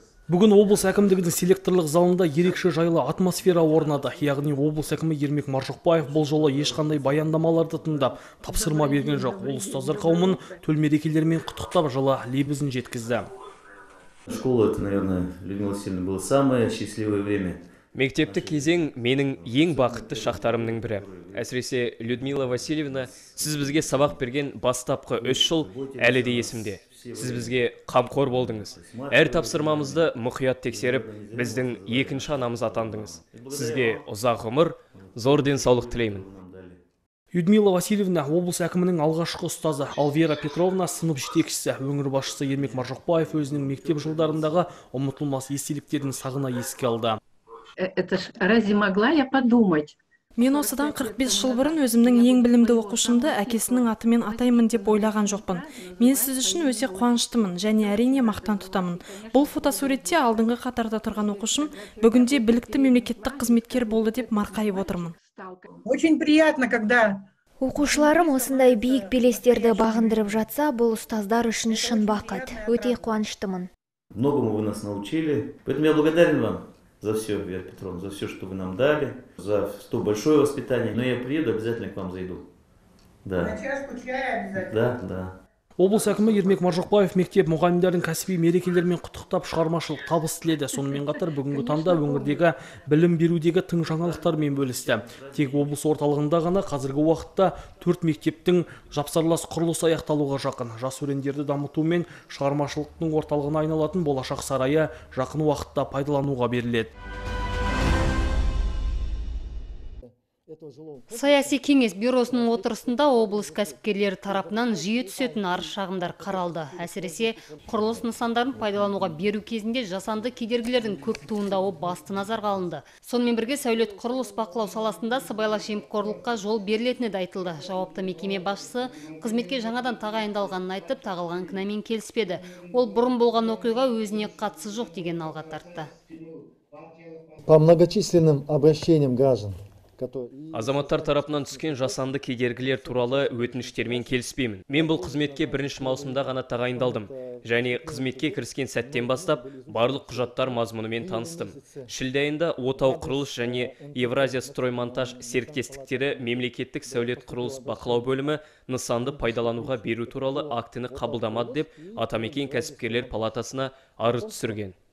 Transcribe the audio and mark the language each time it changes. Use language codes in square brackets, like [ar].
[kk] Бүгін облыс әкімдігінің селекторлық залында ерекше жайлы атмосфера орнады. Яғни облыс әкімі Ермек Маржықпаев бұл жолы ешқандай баяндамаларды тыңдап, тапсырма берген жоқ. Ол ұстаздар қауымын төл мерекелермен құттықтап жылы лебізін жеткізді. [ru] Школа, это, наверное, Людмила Васильевна, было самое счастливое время. [kk] Мектепті кезең менің ең бақытты шақтарымның бірі. Әсіресе Людмила Васильевна, сіз бізге сабақ берген бастапқы 3 жыл әлі де есімде. Сіз бізге қамқор болдыңыз. Әр тапсырмамызды мұқият тексеріп, біздің екінші анамыз атандыңыз. Сізге ұзақ ғұмыр, зор денсаулық тілеймін. Людмила Васильевна облыс әкімінің алғашқы ұстазы, ал Вера Петровна сынып жетекшісі. Өңір басшысы Ермек Маржықпаев өзінің мектеп жылдарындағы ұмытылмас естеліктерін сағына еске алды. [ru] Это ж разве могла я подумать? [kk] Мен осыдан 45 жыл бұрын өзімнің ең білімді оқушымды әкесінің атымен атаймын деп ойлаған жоқпын. Мен сіз үшін өте қуаныштымын және әрине мақтан тұтамын. Бұл фотосуретте алдыңғы қатарда тұрған оқушым бүгінде білікті мемлекеттік қызметкер болды деп марқайып отырмын. [ru] Очень приятно, когда [kk] оқушыларым осындай биік белестерді бағындырып жатса, бұл ұстаздар үшін шын бақыт. Өте қуаныштымын. [ru] Многому вы нас научили, поэтому я благодарен вам. За все, Вера Петровна, за все, что вы нам дали, за то большое воспитание. Но я приеду, обязательно к вам зайду. Да. Да, да. [kk] Облыс әкімі Ермек Маржықпаев мектеп мұғалімдерін кәсіби мерекелермен құттықтап шығармашылық табыс тіледі. Сонымен қатар бүгінгі таңда өңірдегі білім берудегі тың жаңалықтармен бөлісті. Тек облыс орталығында ғана қазіргі уақытта 4 мектептің жапсарлас құрылысы аяқталуға жақын. Жас өрендерді дамыту мен шығармашылықтың орталығына айналатын болашақ сарайы жақын уақытта пайдалануға беріледі. Саяси кеңес бюросының отырысында облыс кәсіпкерлері тарапынан жиі түсетін арыз-шағымдар қаралды. Әсіресе, құрылыс нысандарын пайдалануға беру кезінде жасанды кедергілердің көп туындауы басты назарға алынды. Сонымен бірге сәулет құрылыс бақылау саласында сыбайлас жемқорлыққа жол берілетіні де айтылды. Жауапты мекеме басшысы қызметке жаңадан тағайындалғанын айтып, тағылған кінәмен келіспеді. Ол бұрын болған оқиға өзіне қатысы жоқ деген алға тартты. [ru] По многочисленным обращениям граждан [kk] азаматтар тарапынан түскен жасанды кедергілер туралы өтініштермен келіспеймін. Мен бұл қызметке 1 маусымда ғана тағайындалдым. Және қызметке кіріскен сәттен бастап, барлық құжаттар мазмұнымен таныстым. Шілде айында Отау құрылыс және Евразия строймонтаж серіктестіктері мемлекеттік сәулет құрылыс бақылау бөлімі нысанды пайдалануға беру туралы актіні қабылдамады деп Атамекен кәсіпкерлер палатасына арыз түсірген.